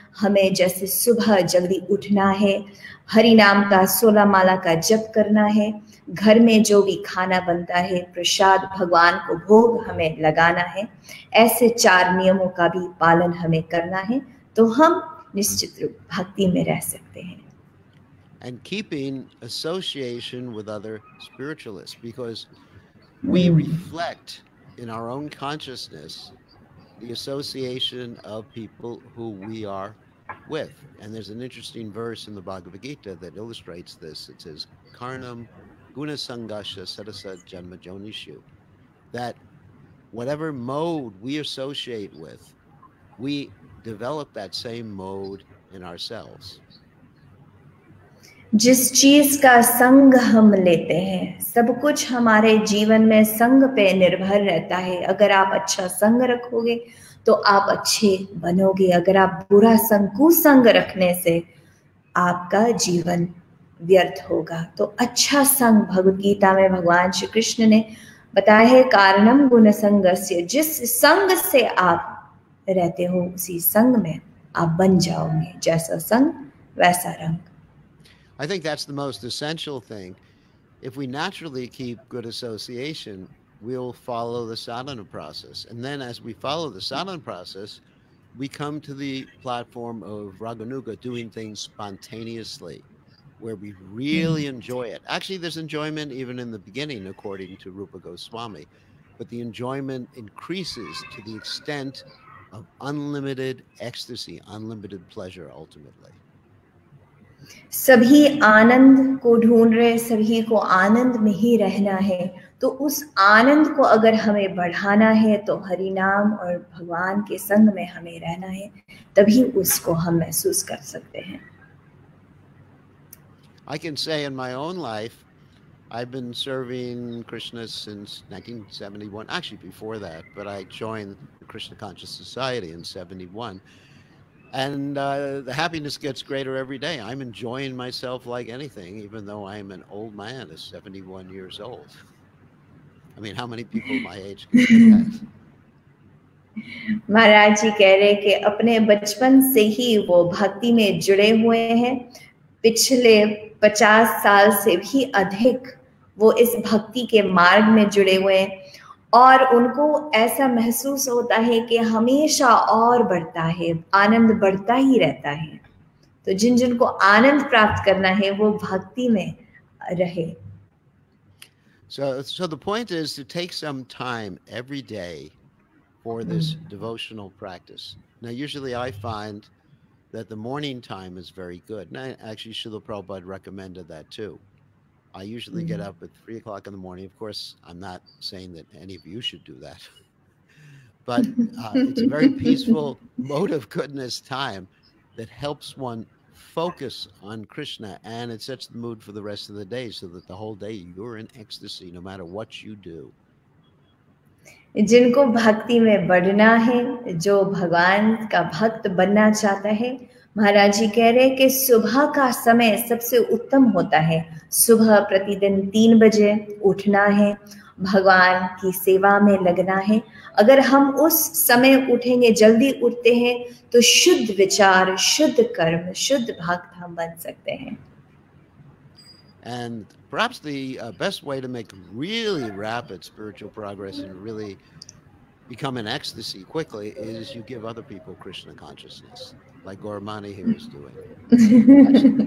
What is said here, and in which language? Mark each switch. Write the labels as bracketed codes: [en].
[hi] हमें जैसे सुबह जल्दी उठना है, हरि नाम का 16 माला का जप करना है, घर में जो भी खाना बनता है प्रसाद भगवान को भोग हमें लगाना है, ऐसे चार नियमों का भी पालन हमें करना है, तो हम निश्चित रूप भक्ति में रह सकते हैं. [en] And keeping association with other spiritualists, because we reflect in our own consciousness the association of people who we are with. And there's an interesting verse in the Bhagavad Gita that illustrates this. It says, [sa] Karnam guna sangasya sarasa janma jonishu, [en] that whatever mode we associate with, we develop that same mode in ourselves. [hi] जिस चीज का संग हम लेते हैं, सब कुछ हमारे जीवन में संग पे निर्भर रहता है. अगर आप अच्छा संग रखोगे तो आप अच्छे बनोगे, अगर आप बुरा संग कुसंग रखने से आपका जीवन व्यर्थ होगा. तो अच्छा संग भगवद गीता में भगवान श्री कृष्ण ने बताया है, [sa] कारणम गुण संगस्य, [hi] जिस संग से आप रहते हो उसी संग में आप बन जाओगे, जैसा संग वैसा रंग. [en] I think that's the most essential thing. If we naturally keep good association, we'll follow the sadhana process. And then as we follow the sadhana process, we come to the platform of raganuga, doing things spontaneously, where we really enjoy it. Actually, there's enjoyment even in the beginning, according to Rupa Goswami. But the enjoyment increases to the extent of unlimited ecstasy, unlimited pleasure ultimately. [hi] सभी आनंद को ढूंढ रहे, सभी को आनंद में ही रहना है, तो उस आनंद को अगर हमें बढ़ाना है तो हरि नाम और भगवान के संग में हमें रहना है, तभी उसको हम महसूस कर सकते हैं. [en] I can say in my own life, I've been serving Krishna since 1971, actually before that, but I joined the Krishna Conscious Society in 71. And the happiness gets greater every day. I'm enjoying myself like anything, even though I'm an old man, 71 years old. I mean, how many people my age can say that? [hi] Maharaj ji keh rahe ke apne bachpan se hi wo bhakti mein jude hue hain. Pichle 50 saal se bhi adhik wo is bhakti ke marg mein jude hue hain. और उनको ऐसा महसूस होता है कि हमेशा और बढ़ता है, आनंद बढ़ता ही रहता है. तो जिन जिन को आनंद प्राप्त करना है वो भक्ति में रहे. [en] So the point is to take some time every day for this devotional practice. Now usually I find that the morning time is very good. And actually Srila Prabhupada recommended that too. I usually get up at 3 o'clock in the morning. Of course, I'm not saying that any of you should do that, but it's a very peaceful mode of goodness time that helps one focus on Krishna, and it sets the mood for the rest of the day so that the whole day you're in ecstasy no matter what you do. [hi] जिनको भक्ति में बढ़ना है, जो भगवान का भक्त बनना चाहता है, महाराज जी कह रहे हैं कि सुबह का समय सबसे उत्तम होता है. सुबह प्रतिदिन 3 बजे उठना है, भगवान की सेवा में लगना है. अगर हम उस समय उठेंगे, जल्दी उठते हैं, तो शुद्ध विचार, शुद्ध कर्म, शुद्ध भक्त हम बन सकते हैं. [en] And perhaps the best way to make really rapid spiritual progress and really become in ecstasy quickly is you give other people Krishna consciousness, like Gaura Mani here is doing.